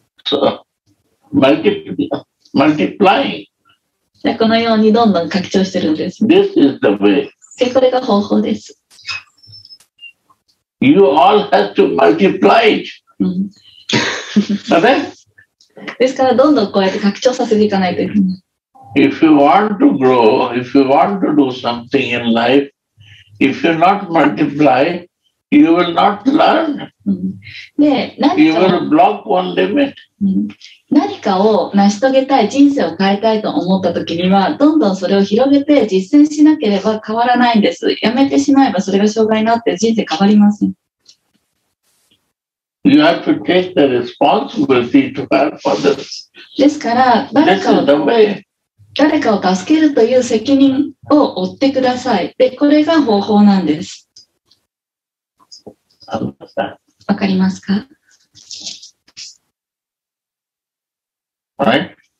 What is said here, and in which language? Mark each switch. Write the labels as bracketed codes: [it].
[en] So, multiplying. [ja] でこのようにどんどん拡張してるんです。 [en] This is the way. [ja] でこれが方法です。 [en] You all have to multiply it. [ja] ですからどんどんこうやって拡張させていかないといけない。 [en] If you want to grow, if you want to do something in life, if you not multiply,You will not learn. で、 You will block one limit. [ja] 何かを成し遂げたい、人生を変えたいと思ったときには、どんどんそれを広げて実践しなければ変わらないんです。やめてしまえばそれが障害になって人生変わりません。 [en] You have to take the responsibility to help others. [ja] ですから、誰かを、誰かを助けるという責任を負ってください。で、これが方法なんです。わかりますか? [en] Right?